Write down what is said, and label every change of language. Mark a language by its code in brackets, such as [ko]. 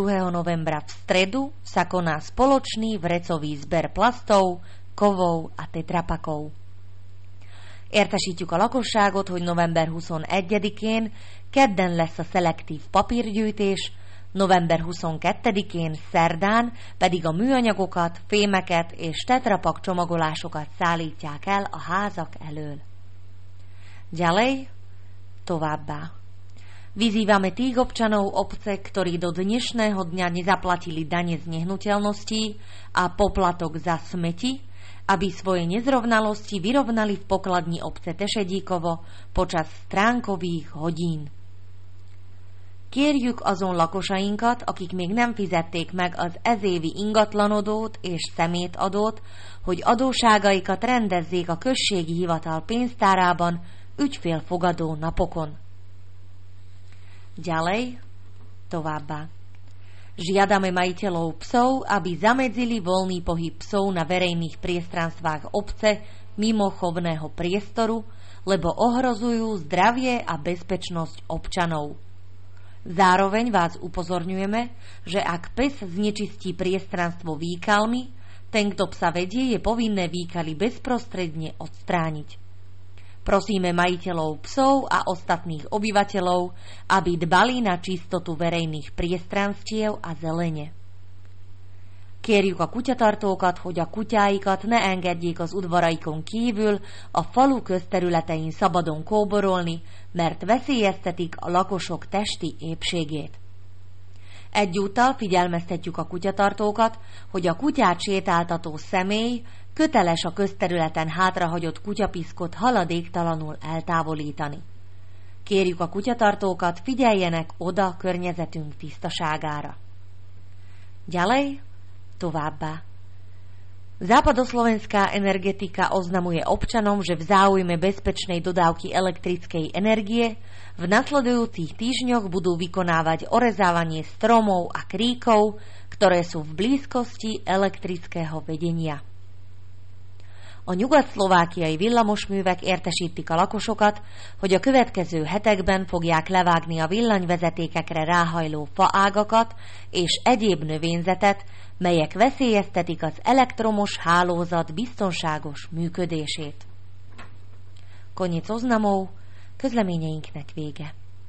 [sk] novembra v stredu sa koná spoločný vrecový zber plastov, kovov a tetrapakov. [hu] Értesítjük a lakosságot, hogy november 21-én kedden lesz a szelektív papírgyűjtés, november 22-én szerdán pedig a műanyagokat, fémeket és tetrapak csomagolásokat szállítják el a házak elől. [sk] Ďalej, [hu] továbbá. [sk] Vyzývame tých občanov obce, ktorí do dnešného dňa nezaplatili dane z nehnuteľností a poplatok za smeti, aby svoje nezrovnalosti vyrovnali v pokladni obce Tešedíkovo počas stránkových hodín. [hu] Kérjük azon lakosainkat, akik még nem fizették meg az ezévi ingatlanodót és szemétadót, hogy adóságaikat rendezzék a községi hivatal pénztárában ügyfélfogadó napokon. [sk] Ďalej, [hu] továbbá. [sk] Žiadame majiteľov psov, aby zamedzili voľný pohyb psov na verejných priestranstvách obce mimo chovného priestoru, lebo ohrozujú zdravie a bezpečnosť občanov. Zároveň vás upozorňujeme, že ak pes znečistí priestranstvo výkalmi, ten, kto psa vedie, je povinné výkaly bezprostredne odstrániť. Prosíme majiteľov psov a ostatných obyvateľov, aby dbali na čistotu verejných priestranstiev a zelene. [hu] Kérjük a kutyatartókat, hogy a kutyáikat ne engedjék az udvaraikon kívül a falu közterületein szabadon kóborolni, mert veszélyeztetik a lakosok testi épségét. Egyúttal figyelmeztetjük a kutyatartókat, hogy a kutyát sétáltató személy köteles a közterületen hátrahagyott kutyapiszkot haladéktalanul eltávolítani. Kérjük a kutyatartókat, figyeljenek oda környezetünk tisztaságára. [sk] Ďalej, [hu] továbbá. [sk] Západoslovenská energetika oznamuje občanom, že v záujme bezpečnej dodávky elektrickej energie v nasledujúcich týždňoch budú vykonávať orezávanie stromov a kríkov, ktoré sú v blízkosti elektrického vedenia. [hu] A nyugat-szlovákiai villamosművek értesítik a lakosokat, hogy a következő hetekben fogják levágni a villanyvezetékekre ráhajló faágakat és egyéb növényzetet, melyek veszélyeztetik az elektromos hálózat biztonságos működését. [sk] Konnyi coznamov, [hu] közleményeinknek vége.